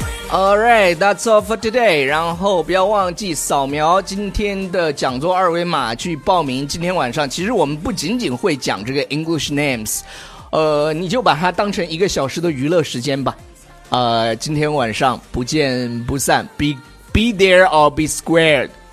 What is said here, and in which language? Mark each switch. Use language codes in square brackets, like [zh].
[en] Alright, that's all for today. [zh] 然后不要忘记扫描今天的讲座二维码去报名。今天晚上其实我们不仅仅会讲这个 [en] English names， [zh] 你就把它当成一个小时的娱乐时间吧。今天晚上不见不散， [en] be there or be squared.